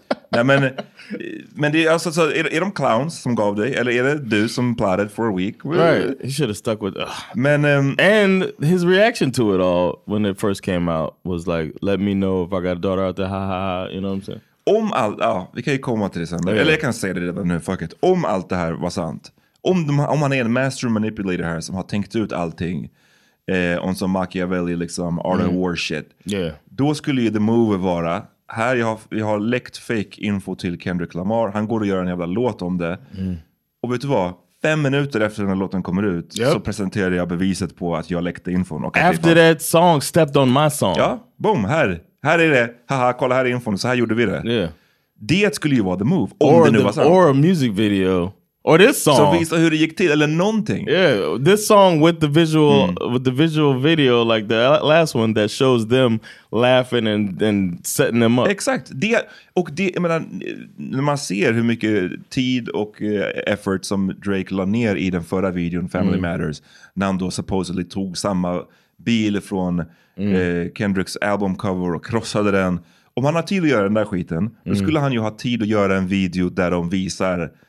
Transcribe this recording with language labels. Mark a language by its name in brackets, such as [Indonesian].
[Swedish] Nej, men det är alltså så, är de clowns som gav dig? Eller är det du som [English] plotted for a week? Right, he should have stuck with it. And his reaction to it all when it first came out was like, let me know if I got a daughter out there, ha ha ha, you know what I'm saying? [Swedish] Om allt, ja, vi kan ju komma till det sen. [English] Yeah. [Swedish] Eller jag kan säga det redan nu, [English] fuck it. [Swedish] Om allt det här var sant. Om han är en [English] master manipulator [Swedish] här som har tänkt ut allting. Och som [English] Machiavelli [Swedish] liksom, [English] art of war shit. Yeah. [Swedish] Då skulle ju [English] the move [Swedish] vara... Här, jag har läckt fake info till Kendrick Lamar. Han går och gör en jävla låt om det. Mm. Och vet du vad? 5 minuter efter den här låten kommer ut så presenterar jag beviset på att jag läckte infon. Och [English] after [Swedish] att [English] that song stepped on my song. [Swedish] Ja, boom, här. Här är det. Haha, kolla här infon. Så här gjorde vi det. [English] Yeah. [Swedish] Det skulle ju vara [English] the move. Or, [Swedish] det nu [English] the, or a music video. Or this song. [Swedish] Så visa hur det gick till. Eller någonting. [English] Yeah, this song with the visual with the visual video, like the last one that shows them laughing and setting them up. [Swedish] Exakt. Det, och det, jag menar, när man ser hur mycket tid och effort som Drake la ner i den förra videon, Family Matters, när han då [English] supposedly [Swedish] tog samma bil från Kendricks [English] album cover [Swedish] och krossade den. Om han har tid att göra den där skiten, då skulle han ju ha tid att göra en video där de visar...